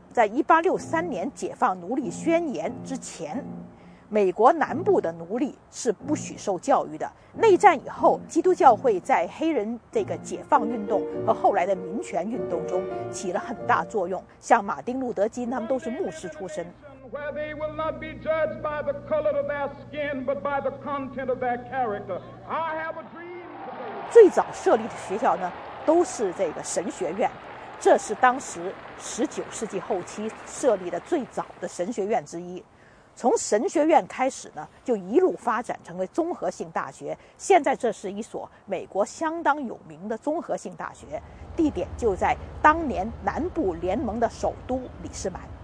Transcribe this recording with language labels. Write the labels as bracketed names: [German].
[Chinese] 在1863年解放奴隶宣言之前，美国南部的奴隶是不许受教育的。内战以后，基督教会在黑人这个解放运动和后来的民权运动中起了很大作用，像马丁路德金他们都是牧师出身。 [English] Where they will not be judged by the color of their skin, but by the content of their character. I have a dream. [Chinese] 最早设立的学校呢，都是这个神学院，这是当时19世纪后期设立的最早的神学院之一。从神学院开始呢，就一路发展成为综合性大学。现在这是一所美国相当有名的综合性大学，地点就在当年南部联盟的首都里士满。